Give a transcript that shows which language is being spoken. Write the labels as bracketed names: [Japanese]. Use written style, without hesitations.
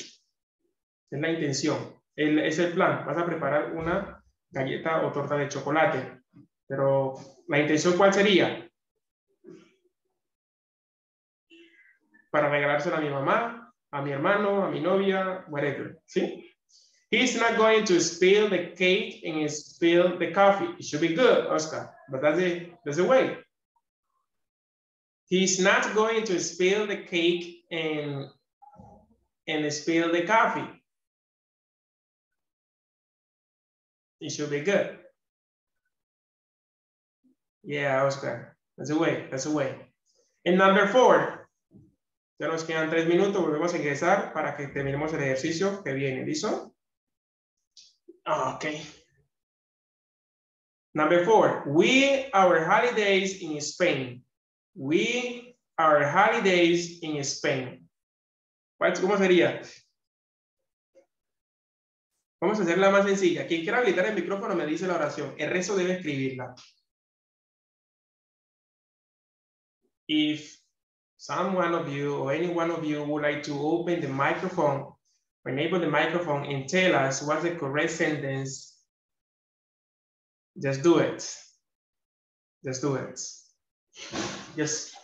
[Spanish] Es la intención, es el plan. Vas a preparar una galleta o torta de chocolate. Pero, ¿la intención cuál sería? Para regalársela a mi mamá, a mi hermano, a mi novia, whatever, ¿sí? [English] He's not going to spill the cake and spill the coffee. It should be good, Oscar, but that's the way. He's not going to spill the cake and spill the coffee. It should be good. Yeah, Oscar, that's the way. And number 4. [Spanish] Ya nos quedan 3 minutos, volvemos a ingresar para que terminemos el ejercicio que viene. ¿Listo? Ok. [English] Number 4. We our holidays in Spain. We our holidays in Spain. [Spanish] ¿Cómo sería? Vamos a hacerla más sencilla. Quien quiera habilitar el micrófono me dice la oración. El resto debe escribirla. [English] If someone of you or any one of you would like to open the microphone, enable the microphone and tell us what's the correct sentence, just do it. Just do it. Yes.